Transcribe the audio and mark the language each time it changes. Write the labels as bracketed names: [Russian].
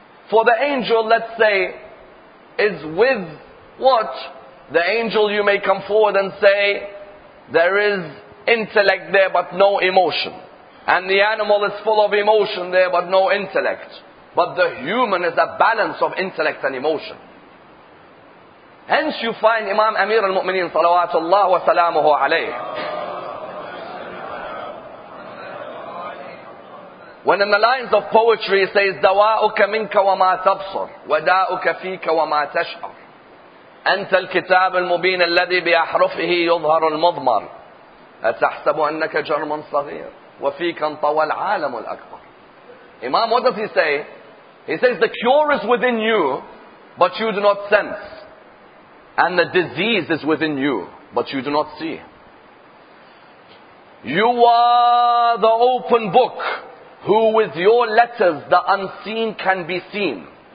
[English] For the angel, let's say, is with what? The angel, you may come forward and say, there is intellect there but no emotion. And the animal is full of emotion there but no intellect. But the human is a balance of intellect and emotion. Hence you find Imam Amir al-Mu'mineen salawatullah wa salamuhu alayhi, when in the lines of poetry he says, [Arabic] دَوَاءُكَ مِنْكَ وَمَا تَبْصُرْ وَدَاءُكَ فِيكَ وَمَا تَشْعُرْ أَنْتَ الْكِتَابُ الْمُبِينَ الَّذِي بِأَحْرُفِهِ يُظْهَرُ الْمُضْمَرُ أَتَحْسَبُ أَنَّكَ جَرْمٌ صَغِيرٌ وَفِيكَ انْطَوَى الْعَالَمُ الْأَكْبَرُ. [English] Imam, what does he say? He says, the cure is within you, but you do not sense. And the disease is within you, but you do not see. You are the open book, who with your letters the unseen can be seen.